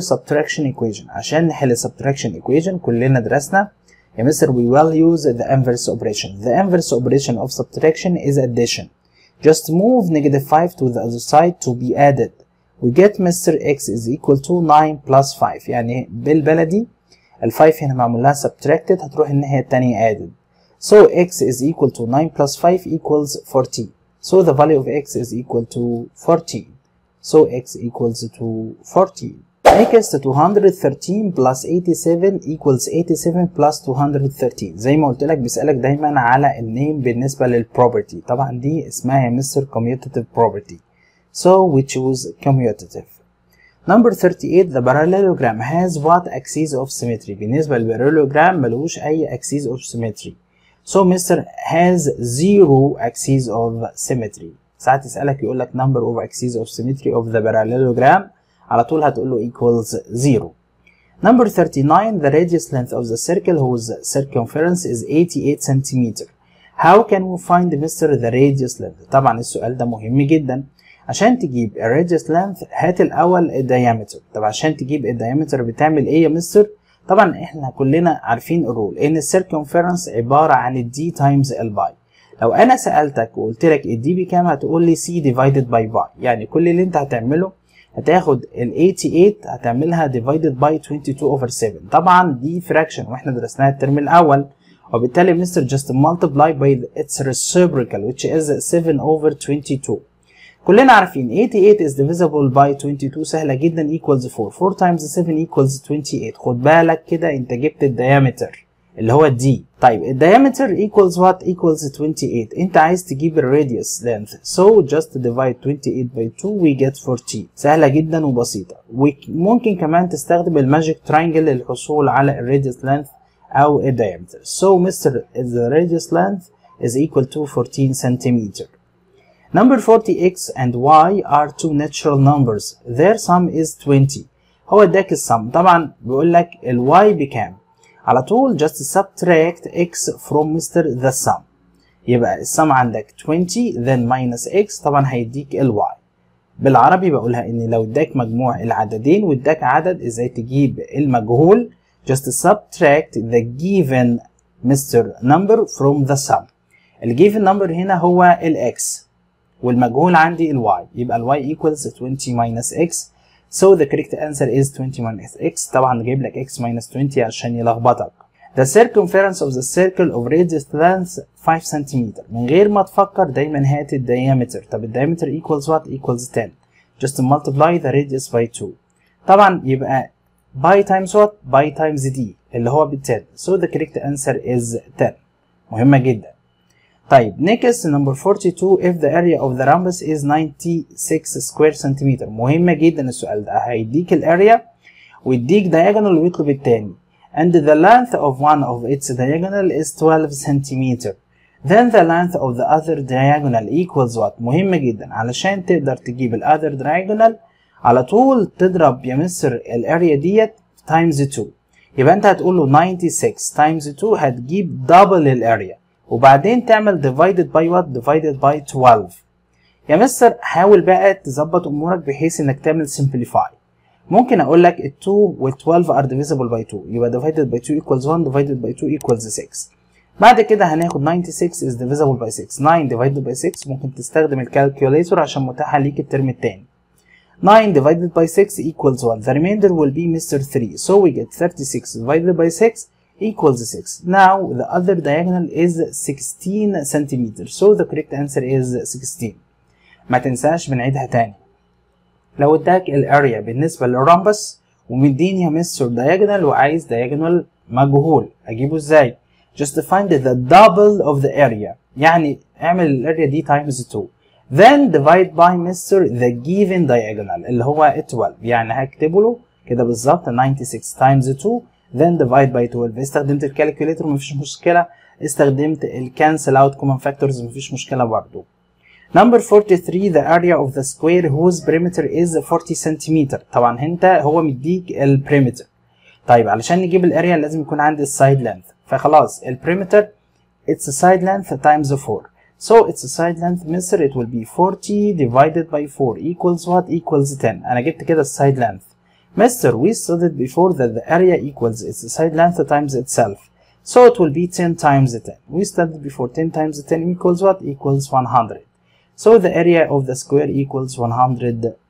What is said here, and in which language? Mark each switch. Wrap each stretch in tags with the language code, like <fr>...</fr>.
<en>subtraction equation</en> <ar>عشان نحل</ar> <en>subtraction equation</en> <ar>كلنا درسنا يا مستر</ar> <en>we will use the inverse operation. The inverse operation of subtraction is addition just move negative 5 to the other side to be added we get mister X is equal to 9 plus 5.</en> <ar>يعني بالبلدي ال 5 هنا معمول لها subtracted هتروح الناحية التانية added.</ar> <en>So X is equal to 9 plus 5 equals 14. So the value of X is equal to 14. So X equals to 14. Make us to 213 plus 87 equals 87 plus 213.</en> <ar>زي ما قلت لك بيسألك دايما على النيم بالنسبة للبروبرتي. طبعا دي اسمها يا مستر commutative property.</ar> <en>So we choose commutative. Number 38, the parallelogram has what axis of symmetry.</en> <ar>بالنسبة للبارالوجرام ملوش اي axis of symmetry.</ar> <en>So mister has zero axis of symmetry. ساعة تسألك يقول لك number of axis of symmetry of the parallelogram.</en> <ar>على طول هتقول له equals zero.</ar> <en>Number 39, the radius length of the circle whose circumference is 88 centimeter. How can we find mister the radius length?</en> <ar>طبعا السؤال ده مهم جدا. عشان تجيب</ar> <en>a radius length</en> <ar>هات الاول</ar> <en>a diameter.</en> <ar>طب عشان تجيب a diameter بتعمل ايه يا مستر؟ طبعا احنا كلنا عارفين الرول ان circumference عبارة عن ال d times l by. لو انا سألتك وقلت لك ال d بكام هتقول لي c divided by y. يعني كل اللي انت هتعمله هتاخد ال 88 هتعملها</ar> <en>divided by 22 over 7.</en> <ar>طبعا دي fraction واحنا درسناها الترم الاول. وبالتالي مستر</ar> <en>just multiply by its reciprocal which is 7 over 22.</en> <ar>كلنا عارفين</ar> <en>88 is divisible by 22</en> <ar>سهلة جدا</ar> <en>equals 4. 4 times 7 equals 28.</en> <ar>خد بالك كده انت جبت الديامتر اللي هو D. طيب الديامتر</ar> <en>equals what equals 28.</en> <ar>انت عايز تجيب الراديوس length.</ar> <en>So just divide 28 by 2 we get 14.</en> <ar>سهلة جدا وبسيطة. ممكن كمان تستخدم الماجيك ترينجل للحصول على الراديوس length او الديامتر.</ar> <en>So mister the radius length is equal to 14 centimeter. Number 40, x and y are two natural numbers. Their sum is 20.</en> <ar>هو اداك السم. طبعا بيقول لك ال y بكام. على طول</ar> <en>just subtract x from mister the sum.</en> <ar>يبقى السم عندك 20</ar> <en>then minus x</en> <ar>طبعا هيديك ال y. بالعربي بقولها ان لو اداك مجموع العددين واداك عدد ازاي تجيب المجهول.</ar> <en>Just subtract the given mister number from the sum.</en> <ar>ال given number هنا هو ال x. والمجهول عندي ال y يبقى ال y</ar> <en>equals 20 minus x. So the correct answer is 20 minus x.</en> <ar>طبعا جايب لك x minus 20 عشان يلخبطك.</ar> <en>The circumference of the circle of radius length 5 cm.</en> <ar>من غير ما تفكر دايما هات ال diameter.</ar> <en>طب ال diameter equals what equals 10. Just multiply the radius by 2.</en> <ar>طبعا يبقى</ar> <en>by times what by times d</en> <ar>اللي هو بال 10.</ar> <en>So the correct answer is 10.</en> <ar>مهمة جدا. طيب</ar> <en>next number 42, if the area of the rhombus is 96 square centimeter.</en> <ar>مهمة جدا السؤال ده. هيديك الاريا ويديك diagonal ويطلب التاني.</ar> <en>And the length of one of its diagonal is 12 centimeter. Then the length of the other diagonal equals what.</en> <ar>مهمة جدا علشان تقدر تجيب ال other diagonal على طول تضرب يا مستر الاريا ديت</ar> <en>times 2.</en> <ar>يبقى انت هتقول له</ar> <en>96 times 2</en> <ar>هتجيب double الاريا. وبعدين تعمل</ar> <en>divided by what divided by 12.</en> <ar>يا مستر حاول بقى تظبط امورك بحيث انك تعمل simplify. ممكن اقول لك ال</ar> <en>2 وال 12 are divisible by 2 يبقى divided by 2 equals 1 divided by 2 equals 6.</en> <ar>بعد كده هناخد 96</ar> <en>is divisible by 6. 9 divided by 6</en> <ar>ممكن تستخدم الكالكيوليتر عشان متاحه ليك الترم الثاني.</ar> <en>9 divided by 6 equals 1. The remainder will be mister 3. So we get 36 divided by 6 equals 6. Now the other diagonal is 16 centimeters. So the correct answer is 16.</en> <ar>ما تنساش بنعيدها تاني. لو اداك الاريا بالنسبة للرمبس ومديني يا مستر diagonal وعايز diagonal مجهول اجيبه ازاي؟</ar> <en>Just find the double of the area.</en> <ar>يعني اعمل الاريا دي times 2.</ar> <en>Then divide by mister the given diagonal</en> <ar>اللي هو 12. يعني هكتبه له كده بالظبط 96 times 2.</ar> <en>Then divide by 12.</en> <ar>استخدمت الكالكوليتر مفيش مشكلة. استخدمت الكانسل اوت كومن فاكتورز مفيش مشكلة برضو.</ar> <en>Number 43, the area of the square whose perimeter is 40 centimeter.</en> <ar>طبعا انت هو مديك البريمتر. طيب علشان نجيب الاريا لازم يكون عندي السايد لينث. فخلاص البريمتر</ar> <en>it's a side length times 4. So it's a side length مصر it will be 40 divided by 4 equals what equals 10.</en> <ar>انا جبت كده السايد لينث.</ar> <en>Mister, we studied before that the area equals its side length times itself. So it will be 10 times 10. We studied before 10 times 10 equals what? Equals 100. So the area of the square equals 100</en>